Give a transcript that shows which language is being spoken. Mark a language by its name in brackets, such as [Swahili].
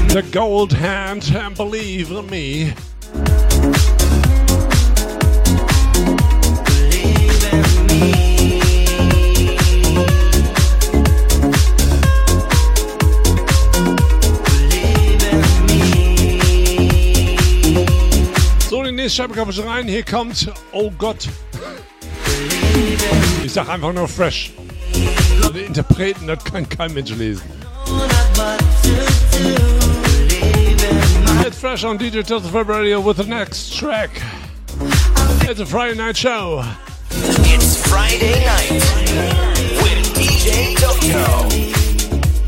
[English] Gold hand and believe in me. [German] So, die nächste Scheibe kommt schon rein. Hier kommt, oh Gott. Ich sag einfach nur fresh. Die Interpreten, das kann kein Mensch lesen. [English] It's fresh on DJ Tots of Radio with the next track. It's a Friday night show. It's Friday night with DJ Tokyo.